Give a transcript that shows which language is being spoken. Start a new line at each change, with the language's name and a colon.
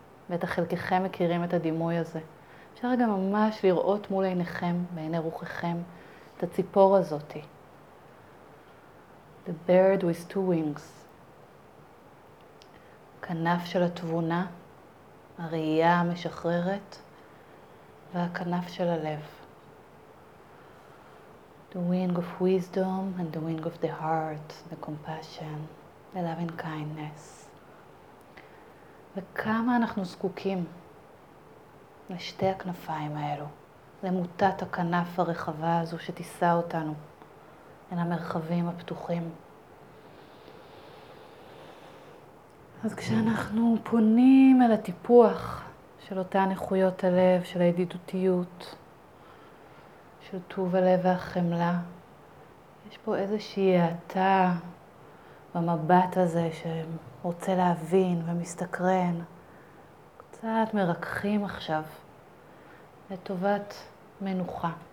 Hebrew: ואת החלקיכם מכירים את הדימוי הזה. אפשר גם ממש לראות מול עיניכם, בעיני רוחכם, את הציפור הזאת.
English: The bird with two wings.
Hebrew: כנף של התבונה, הראייה המשחררת, והכנף של הלב.
English: The wing of wisdom and the wing of the heart, the compassion, the loving kindness.
Hebrew: וכמה אנחנו זקוקים לשתי הכנפיים האלו, למוטת הכנף הרחבה הזו שתישא אותנו אל המרחבים הפתוחים. אז כשאנחנו פונים אל הטיפוח של אותן איכויות הלב, של הידידותיות, של טוב הלב והחמלה, יש פה איזושהי יעתה במבט הזה שהם רוצה להבין ומסתקרן, קצת מרקחים עכשיו לטובת מנוחה.